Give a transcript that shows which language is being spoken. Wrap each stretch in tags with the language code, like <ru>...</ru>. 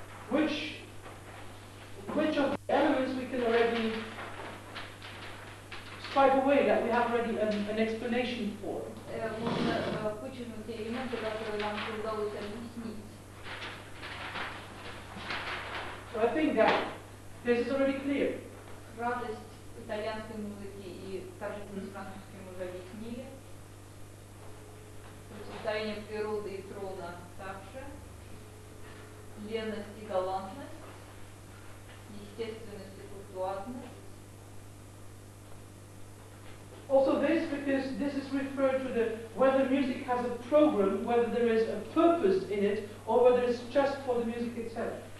<en>Which of the elements we can already strike away that we have already an explanation for? So I think that this is already clear.</en> <ru>Радость итальянской музыки и также французской мы уже объяснили. Состояние природы и трона также. Леность и галантность. Естественность и пунктуальность.</ru> <en>Also this, because this is referred to the whether music has a program, whether there is a purpose in it, or whether it's just for the music itself.</en>